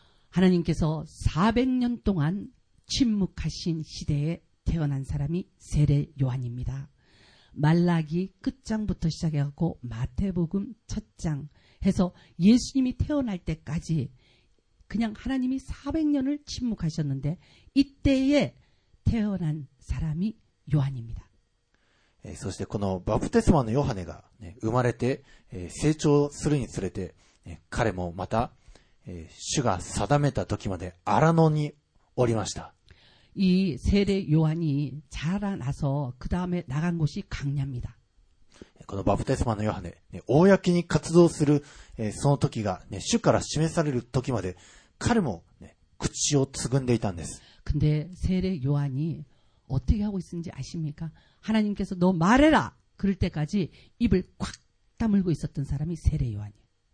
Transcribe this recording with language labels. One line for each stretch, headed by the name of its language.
Korean: 하나님께서400년동안침묵하신시대에태어난사람이세례요한입니다말라기끝장부터시작해갖고마태복음첫장해서예수님이태어날때까지그냥하나님이400년을침묵하셨는데이때에 태어난사람이요한입니다
Japanese: そしてこのバプテスマのヨハネが、ね、生まれて、成長するにつれて、ね、彼もまた、主が定めた時まで荒野におりました。
Korean: 이세례요한이자라나서그다음에나간곳이광야입니다
Japanese: このバプテスマのヨハネ、ね、公に活動する、その時が、ね、主から示される時まで彼も、ね、口をつぐんでいたんです
Korean: 근데세례요한이어떻게하고있는지아십니까하나님께서너말해라그럴때까지입을꽉다물고있었던사람이세례요한이에요